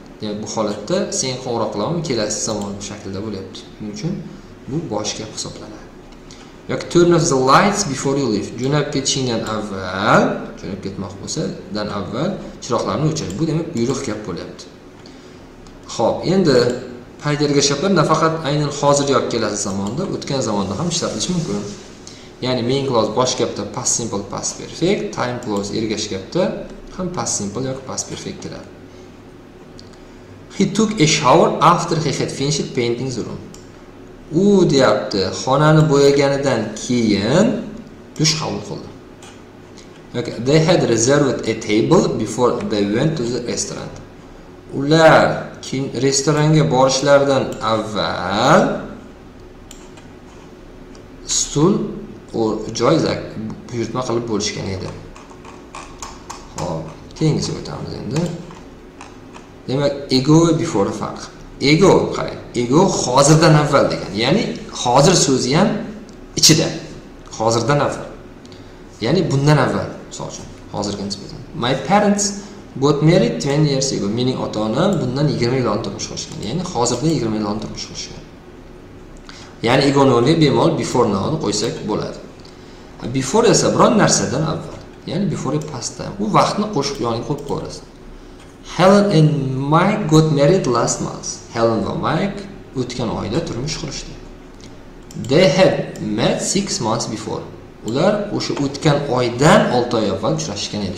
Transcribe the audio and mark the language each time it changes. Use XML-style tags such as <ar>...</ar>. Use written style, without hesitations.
<uz>Demak, bu holatda sen qo'ng'iroq qilaman, kelasi zamon shaklida bo'lyapti. Shuning uchun bu bosh gap hisoblanadi. Yoki</uz> <en>turn off the lights before you leave.</en> <uz>Jo'nab ketishingdan avval, jo'nab ketmoq bo'lsa, dan avval chiroqlarni o'chir. Bu demak buyruq gap bo'lyapti. Xo'p, endi payt ergash gaplar nafaqat aynan hozir yoki kelasi zamonda, o'tgan zamonda ham ishlatilishi mumkin. Ya'ni main clause bosh gapda past simple past perfect, time clause ergash gapda ham past simple yoki past perfect keladi.</uz> <en>He took a shower after he had finished painting the room.</en> <uz>U deyapti, xonani bo'yaganidan keyin dush qabul qildi.</uz> <en>Okay, they had reserved a table before they went to the restaurant.</en> <uz>Ular restoranga borishlaridan avval stul joy buyurtma qilib bo'lishgan edi. Xo'p, keyingisiga o'tamiz endi. Demak,</uz> <en>ego before fuck.</en> <uz>Ego, qarang, ego hozirdan avval degan. Ya'ni hozir so'zi ham ichida. Hozirdan avval. Ya'ni bundan avval, misol uchun, hozirga nisbatan.</uz> <en>My parents got married 20 years ago.</en> <uz>Mening ota-onam bundan 20 yil oldin turmush qurishgan. Ya'ni hozirdan 20 yil oldin turmush qurishgan. Ya'ni ego-ni bemalol before-ni qo'ysak bo'ladi. Before esa biron narsadan avval. Ya'ni before</uz> <en>past time.</en> <uz>Bu vaqtni qo'shib yoniga qo'yib ko'rasiz.</uz> <en>Helen and Mike got married last month.</en> <uz>Helen va Mike o'tgan oyda turmush qurishdi.</uz> <en>They had met 6 months before.</en> <uz>Ular o'sha o'tgan oydan 6 oy avval uchrashgan edi.</uz>